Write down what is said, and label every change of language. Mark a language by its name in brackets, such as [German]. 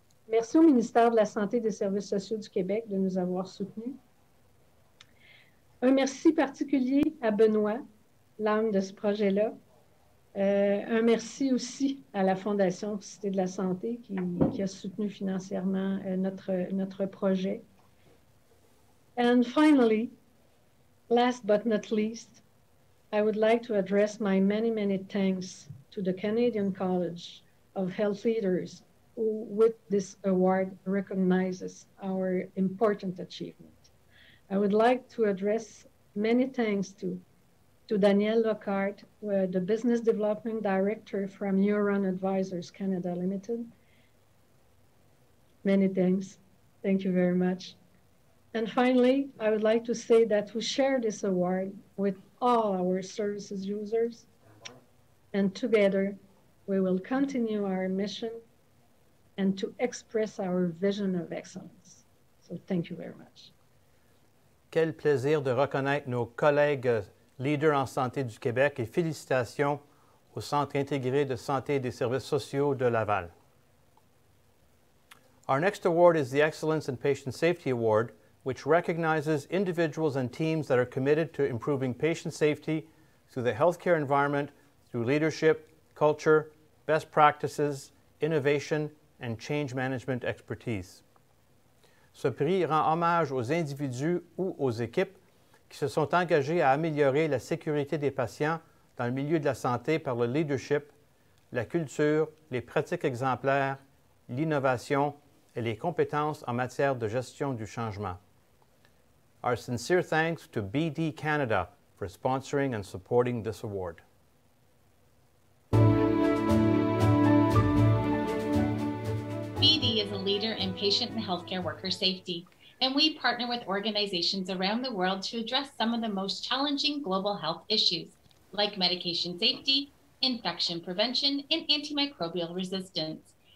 [French] Merci au ministère de la Santé et des Services sociaux du Québec de nous avoir soutenus. Un merci particulier à Benoît, l'âme de ce projet-là. Un merci aussi à la Fondation Cité de la Santé qui a soutenu financièrement notre projet. [English] And finally, last but not least, I would like to address my many, many thanks to the Canadian College of Health Leaders who with this award recognizes our important achievement. I would like to address many thanks to Danielle Lockhart, the Business Development Director from Euron Advisors Canada Limited. Many thanks. Thank you very much. And finally, I would like to say that we share this award with all our services users. And together, we will continue our mission and to express our vision of excellence. So thank you very much. [French] Quel plaisir de reconnaître nos collègues leader en santé du Québec et félicitations au Centre intégré de santé et des services sociaux de Laval. [English] Our next award is the Excellence in Patient Safety Award, which recognizes individuals and teams that are committed to improving patient safety through the healthcare environment, through leadership, culture, best practices, innovation, and change management expertise. [French] Ce prix rend hommage aux individus ou aux équipes qui se sont engagés à améliorer la sécurité des patients dans le milieu de la santé par le leadership, la culture, les pratiques exemplaires, l'innovation et les compétences en matière de gestion du changement. [English] Our sincere thanks to BD Canada for sponsoring and supporting this award. BD is a leader in patient and healthcare worker safety. And we partner with organizations around the world to address some of the most challenging global health issues, like medication safety, infection prevention, and antimicrobial resistance.